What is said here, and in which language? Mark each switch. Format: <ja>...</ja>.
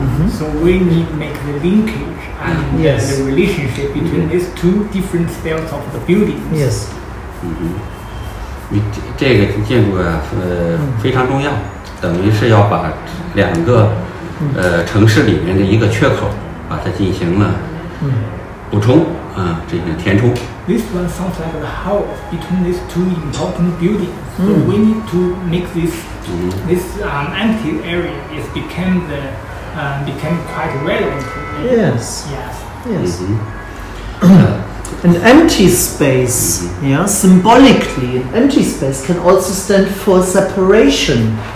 <en>So we need to make the linkage and the relationship between these two different styles of the buildings. Yes.</en> <zh>这个建筑非常重要，等于是要把两个城市里面的一个缺口把它进行了补充啊，这个填充。</zh> <en>This one sounds like the house between these two important buildings. So we need to make this empty area is become the become quite relevant. Yes. Yes. Yes. An empty space, symbolically, an empty space can also stand for separation.</en>